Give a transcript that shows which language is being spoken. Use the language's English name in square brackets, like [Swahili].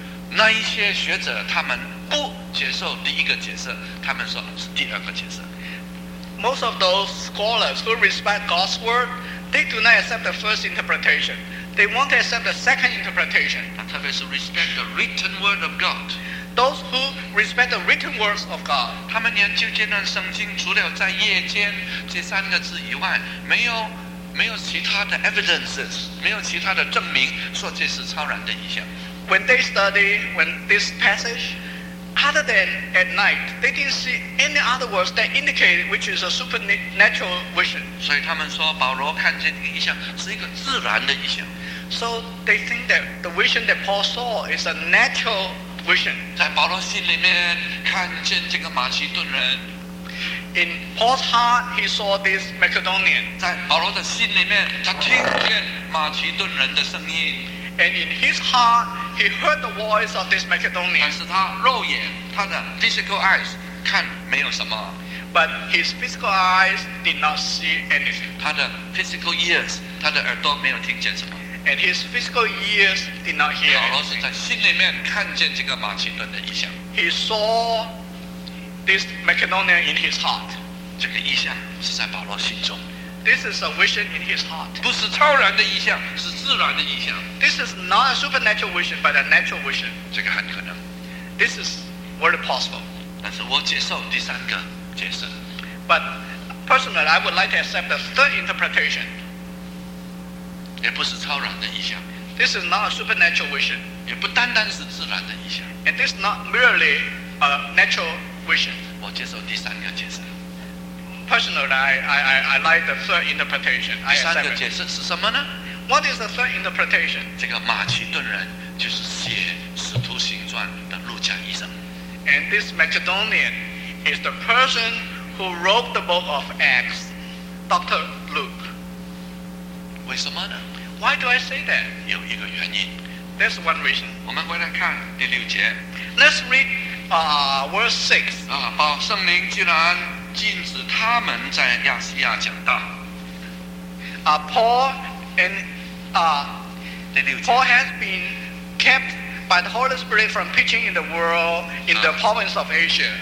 [Chinese] 那一些学者他们不接受第一个解释，他们说是第二个解释。 [English] Most of those scholars who respect God's word, they do not accept the first interpretation. They won't accept the second interpretation. [Chinese] 特别是 [English] respect the written word of God. Those who respect the written words of God. [Chinese] 他们研究这段圣经，除了在夜间这三个字以外，没有其他的 evidences， 没有其他的证明说这是超然的意象。 [English] When they study, when this passage, other than at night, they didn't see any other words that indicated which is a supernatural vision. [Chinese] 所以他们说保罗看见的意象是一个自然的意象。 [English] So they think that the vision that Paul saw is a natural vision. [Chinese] 在保罗心里面看见这个马其顿人。 [English] In Paul's heart, he saw this Macedonian. [Chinese] 在保罗的心里面，他听见马其顿人的声音。 [English] And in his heart, he heard the voice of this Macedonian. [Chinese] 但是他肉眼，他的 [English] physical eyes [Chinese] 看没有什么。 [English] But his physical eyes did not see anything. [Chinese] 他的 [English] physical ears， [Chinese] 他的耳朵没有听见什么。 [English] And his physical ears did not hear. [Chinese] 保罗是在心里面看见这个马其顿的异象。 [English] He saw this Macedonian in his heart. [Chinese] 这个异象是在保罗心中。 [English] This is a vision in his heart. [Chinese] 不是超然的异象，是自然的异象。 [English] This is not a supernatural vision, but a natural vision. [Chinese] 这个很可能。 [English] This is very possible. [Chinese] 但是我接受第三个解释。 [English] But personally, I would like to accept the third interpretation. [Chinese] 也不是超然的意象。 [English] This is not a supernatural vision. [Chinese] 也不单单是自然的意象。 [English] And this is not merely a natural vision. [Chinese] 我接受第三个解释。 [English] Personally, I like the third interpretation. [Chinese] 第三个解释是什么呢？ [English] What is the third interpretation? [Chinese] 这个马其顿人就是写《使徒行传》的路加医生。 [English] And this Macedonian is the person who wrote the book of Acts, Dr. Luke. [Chinese] 为什么呢？ [English] Why do I say that? [Chinese] 有一个原因。 [English] There's one reason. [Chinese] 我们回来看第六节。 [English] Let's read verse 6. [Chinese] 保圣灵既然禁止他们在亚细亚讲道。 [English] Paul has been kept by the Holy Spirit from preaching in the world in the province of Asia.